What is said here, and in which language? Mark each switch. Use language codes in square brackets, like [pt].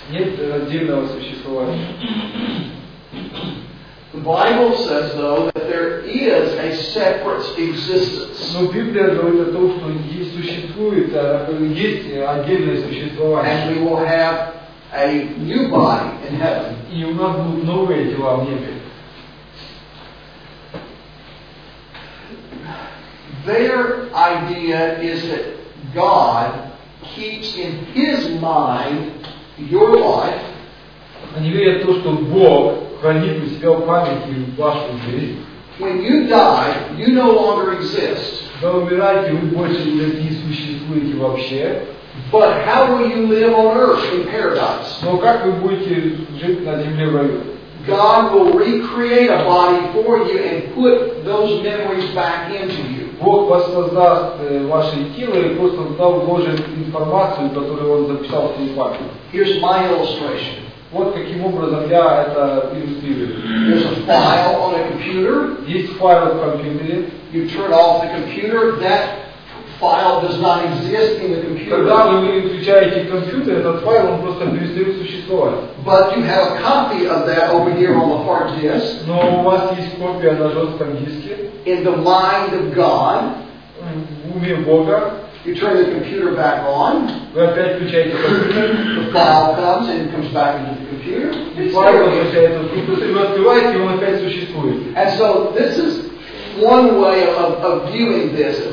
[en] The Bible says, though, that there is a separate existence. [ru] Но Библия говорит о том, что есть существует, есть отдельное существование. [en] And we will have a new body in heaven. [ru] И у нас будут новые тела в небе. [en] Their idea is that God keeps in His mind your life. [ru] они верят в то, что Бог хранит у себя в памяти вашу жизнь. [en] When you die, you no longer exist. [ru] Вы умираете, вы больше не существуете вообще. [en] But how will you live on earth in paradise? [ru] Но как вы будете жить на земле в раю? [en] God will recreate a body for you and put those memories back into you. [ru] Бог воссоздаст ваше тело и просто там вложит информацию, которую он записал в твою память. [en] Here's my illustration. [ru] Вот каким образом я это иллюстрирую. [en] There's a file on a computer. [ru] Есть файл в компьютере. [en] You turn off the computer, that file does not exist in the computer. [ru] Когда вы выключаете компьютер, этот файл он просто перестает существовать. [en] But you have a copy of that over here on the hard disk. [ru] Но у вас есть копия на жестком диске. [en] In the mind of God. [ru] В уме Бога. [en] You turn the computer back on. [ru] Вы опять включаете компьютер. [en] The file comes and comes back into the computer. [ru] Файл возвращается в компьютер, вы открываете, и он опять существует. [en] And so this is one way of viewing this.